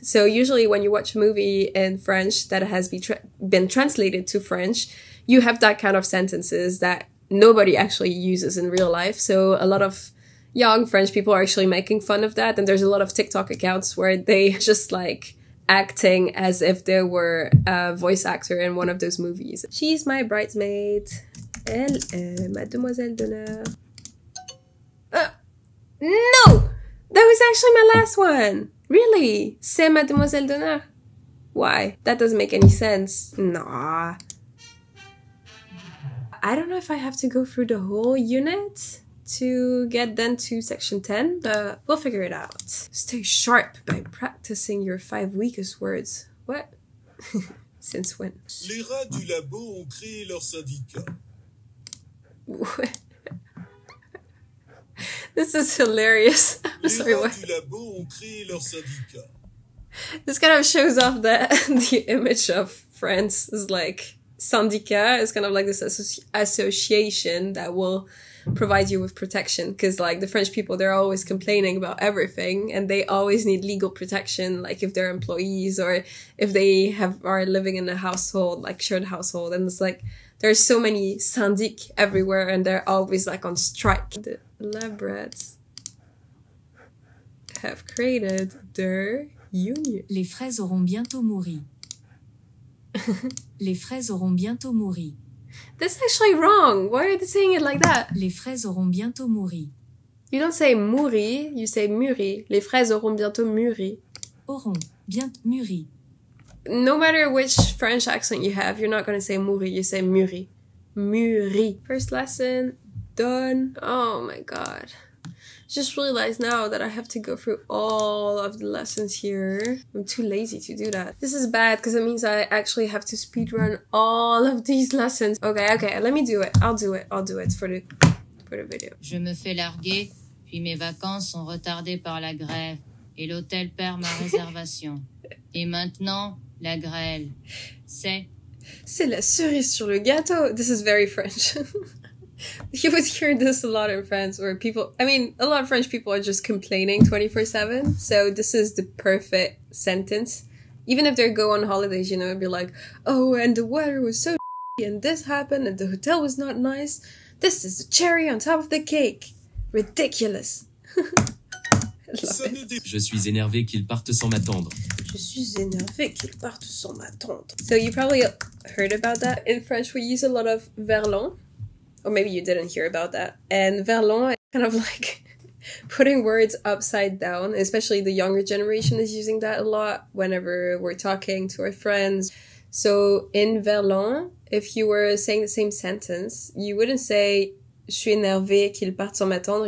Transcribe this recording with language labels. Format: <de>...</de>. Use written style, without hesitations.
<en>So usually when you watch a movie in French that has been translated to French, you have that kind of sentences that nobody actually uses in real life. So a lot of young French people are actually making fun of that. And there's a lot of TikTok accounts where they just like acting as if they were a voice actor in one of those movies. She's my bridesmaid.</en> <fr>Elle est mademoiselle d'honneur.</fr> <en>No! That was actually my last one. Really?</en> <fr>C'est mademoiselle d'honneur.</fr> <en>Why? That doesn't make any sense. Nah. I don't know if I have to go through the whole unit to get then to section 10, but we'll figure it out. Stay sharp by practicing your 5 weakest words. What? Since when?</en> <fr>Les rats du labo ont créé leur syndicat.</fr> <en>This is hilarious. I'm sorry, what?</en> <fr>Les rats du labo ont créé leur syndicat.</fr> <en>This kind of shows off the image of France. It's like syndicat. It's kind of like this association that will provide you with protection, because like the French people, they're always complaining about everything and they always need legal protection, like if they're employees or if they are living in a household, like shared household. And it's like there's so many syndic everywhere and they're always like on strike. The lab rats have created their union.</en> <fr>Les fraises auront bientôt mouri. Les fraises auront bientôt mouri.</fr> <en>That's actually wrong. Why are they saying it like that?</en> <fr>Les fraises auront bientôt mouri.</fr> <en>You don't say mouri, you say mûri.</en> <fr>Les fraises auront bientôt mûri. Auront bientôt mûri.</fr> <en>No matter which French accent you have, you're not going to say mouri, you say mûri. Mûri. First lesson done. Oh my god. Just realized now that I have to go through all of the lessons here. I'm too lazy to do that. This is bad because it means I actually have to speedrun all of these lessons. Okay, okay, let me do it. I'll do it for the video.</en> <fr>Je me fais larguer, puis mes vacances sont retardées par la grève et l'hôtel perd ma réservation. Et maintenant, la grêle, c'est... C'est la cerise sur le gâteau.</fr> <en>This is very French. You would hear this a lot in France where people, I mean, a lot of French people are just complaining 24/7. So this is the perfect sentence. Even if they go on holidays, you know, it'd be like, oh, and the weather was so shitty and this happened and the hotel was not nice. This is the cherry on top of the cake. Ridiculous.</en> <fr>Je suis énervé qu'il parte sans m'attendre. Je suis énervé qu'il parte sans m'attendre.</fr> <en>So you probably heard about that. In French, we use a lot of verlan. Or maybe you didn't hear about that. And verlan is kind of like putting words upside down. Especially the younger generation is using that a lot whenever we're talking to our friends. So in verlan, if you were saying the same sentence, you wouldn't say</en> <fr>je suis énervé qu'il parte sans m'attendre.</fr>